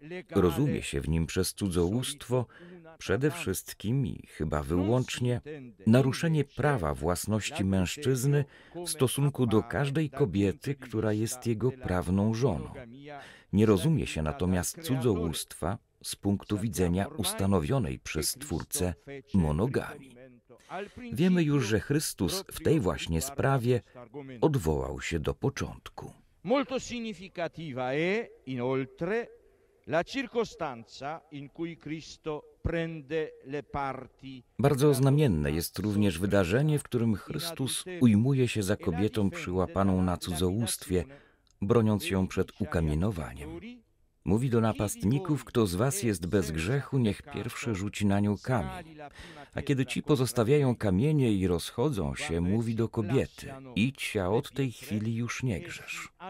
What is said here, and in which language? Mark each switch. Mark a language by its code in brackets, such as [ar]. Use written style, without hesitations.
[pl] Rozumie się w nim przez cudzołóstwo przede wszystkim i chyba wyłącznie naruszenie prawa własności mężczyzny w stosunku do każdej kobiety, która jest jego prawną żoną. Nie rozumie się natomiast cudzołóstwa z punktu widzenia ustanowionej przez Twórcę monogamii. Wiemy już, że Chrystus w tej właśnie sprawie odwołał się do początku. [it] Molto significativa è inoltre la circostanza in cui Cristo prende le parti. [pl] Bardzo znamienne jest również wydarzenie, w którym Chrystus ujmuje się za kobietą przyłapaną na cudzołóstwie, broniąc ją przed ukamienowaniem. Mówi do napastników, kto z was jest bez grzechu, niech pierwszy rzuci na nią kamień. A kiedy ci pozostawiają kamienie i rozchodzą się, mówi do kobiety, idź, a od tej chwili już nie grzesz.